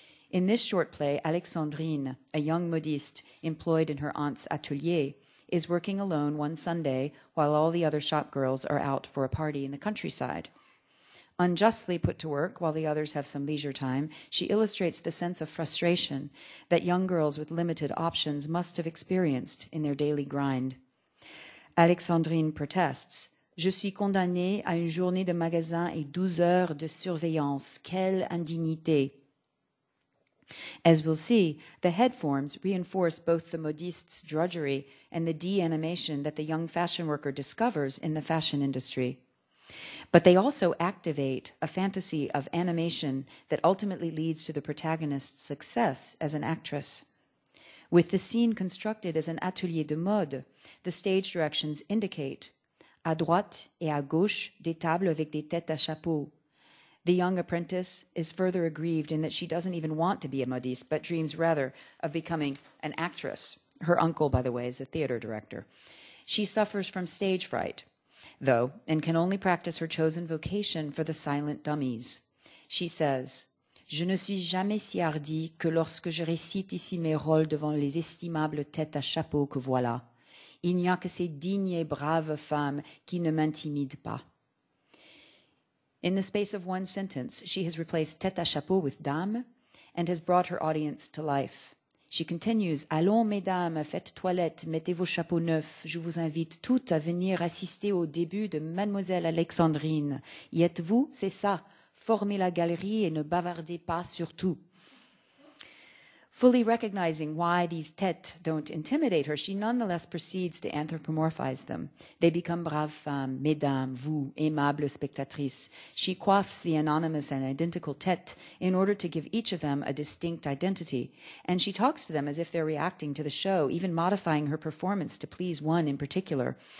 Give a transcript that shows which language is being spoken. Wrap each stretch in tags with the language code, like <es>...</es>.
<en>In this short play, Alexandrine, a young modiste employed in her aunt's atelier, is working alone one Sunday while all the other shop girls are out for a party in the countryside. Unjustly put to work while the others have some leisure time, she illustrates the sense of frustration that young girls with limited options must have experienced in their daily grind. Alexandrine protests,</en> <fr>"Je suis condamnée à une journée de magasin et 12 heures de surveillance. Quelle indignité!"</fr> <en>As we'll see, the head forms reinforce both the modiste's drudgery and the de-animation that the young fashion worker discovers in the fashion industry. But they also activate a fantasy of animation that ultimately leads to the protagonist's success as an actress. With the scene constructed as an atelier de mode, the stage directions indicate</en> <fr>à droite et à gauche des tables avec des têtes à chapeau.</fr> <en>The young apprentice is further aggrieved in that she doesn't even want to be a modiste, but dreams rather of becoming an actress. Her uncle, by the way, is a theater director. She suffers from stage fright, though, and can only practice her chosen vocation for the silent dummies. She says,</en> <fr>"Je ne suis jamais si hardie que lorsque je récite ici mes rôles devant les estimables têtes à chapeau que voilà. Il n'y a que ces dignes et braves femmes qui ne m'intimident pas."</fr> <en>In the space of one sentence, she has replaced tête à chapeau with dame and has brought her audience to life. She continues,</en> <fr>allons mesdames, faites toilette, mettez vos chapeaux neufs. Je vous invite toutes à venir assister au début de Mademoiselle Alexandrine. Y êtes-vous? C'est ça. Formez la galerie et ne bavardez pas surtout.</fr> <en>Fully recognizing why these têtes don't intimidate her, she nonetheless proceeds to anthropomorphize them. They become</en> <fr>braves femmes, mesdames, vous, aimables spectatrices.</fr> <en>She coiffs the anonymous and identical têtes in order to give each of them a distinct identity, and she talks to them as if they're reacting to the show, even modifying her performance to please one in particular.</en>